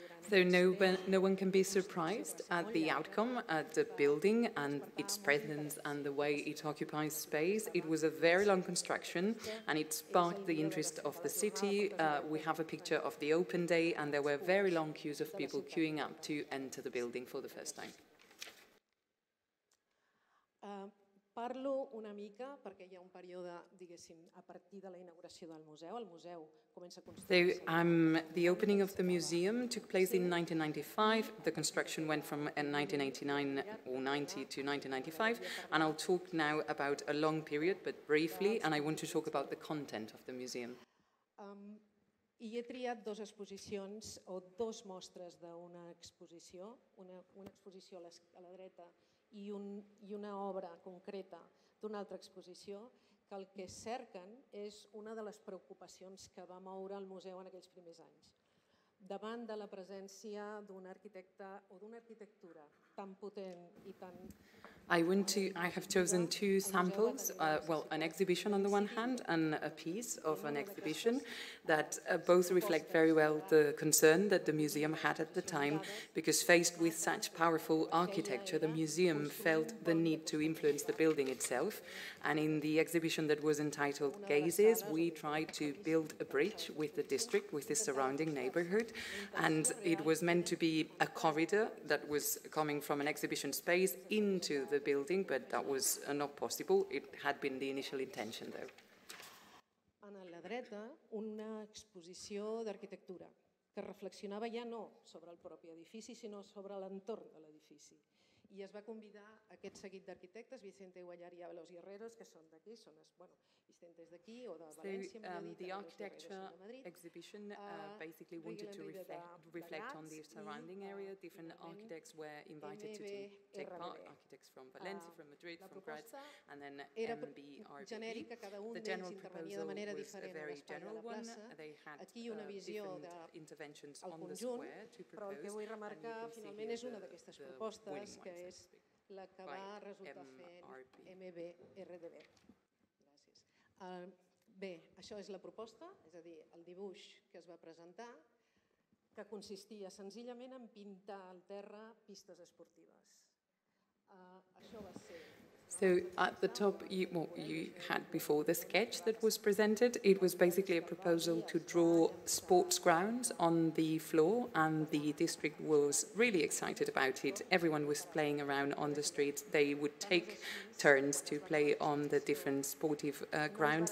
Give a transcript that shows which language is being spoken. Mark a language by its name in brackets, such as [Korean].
[English] So no one can be surprised at the outcome, at the building and its presence and the way it occupies space. It was a very long construction and it sparked the interest of the city. We have a picture of the open day and there were very long queues of people queuing up to enter the building for the first time. [Catalan] Parlo una mica perquè hi ha un període, diguéssim, a partir de la inauguració del museu. El museu comença a construir. [English] So, the opening of the museum took place in 1995. The construction went from 1989 or 90 to 1995. And I'll talk now about a long period, but briefly, and I want to talk about the content of the museum. [Catalan] I he triat dos exposicions o dos mostres d'una exposició, una exposició a la dreta, I una obra concreta d'una altra exposició que el que cerquen és una de les preocupacions que va moure el museu en aquells primers anys. Davant de la presència d'un arquitecte o d'una arquitectura tan potent I tan... [English] I have chosen two samples, an exhibition on the one hand and a piece of an exhibition that both reflect very well the concern that the museum had at the time, because faced with such powerful architecture, the museum felt the need to influence the building itself. And in the exhibition that was entitled Gazes, we tried to build a bridge with the district, with the surrounding neighborhood. And it was meant to be a corridor that was coming from an exhibition space into the building, but that was not possible. It had been the initial intention, though. [Catalan] En la dreta, una exposició d'arquitectura que reflexionava ja no sobre el propi edifici, sinó sobre l'entorn de l'edifici. I es va convidar aquest seguit d'arquitectes, Vicente Guallar I Avalos Guerreros, que són d'aquí, són, bueno, Vicente és d'aquí, o de València, [English] The architecture exhibition basically wanted to reflect on the surrounding area. Different architects were invited to take part, architects from Valencia, from Madrid, from Graz, and then MBRBB. The general proposal was a very general one. They had different interventions on the square to propose, and you can see here the winning one. [Catalan] Que és la que va resultar fent MBRDB. Gràcies. Bé, això és la proposta, és a dir, el dibuix que es va presentar, que consistia senzillament en pintar al terra pistes esportives. Això va ser... [English] So at the top, you had before the sketch that was presented. It was basically a proposal to draw sports grounds on the floor, and the district was really excited about it. Everyone was playing around on the streets. They would take turns to play on the different sportive grounds.